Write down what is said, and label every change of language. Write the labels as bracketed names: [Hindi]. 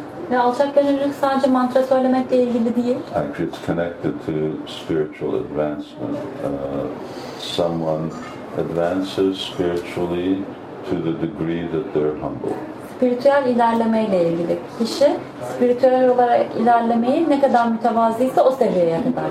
[Turkish] Ve alçak gönüllülük sadece mantra söylemekle ilgili değil. [English] Actually, it's connected to spiritual advancement. Someone advances spiritually to the degree that they're humble. [Turkish] spiritüel ilerlemeyle ilgili. Kişi spiritüel olarak ilerlemeyi ne kadar mütevazıysa o seviyeye kadar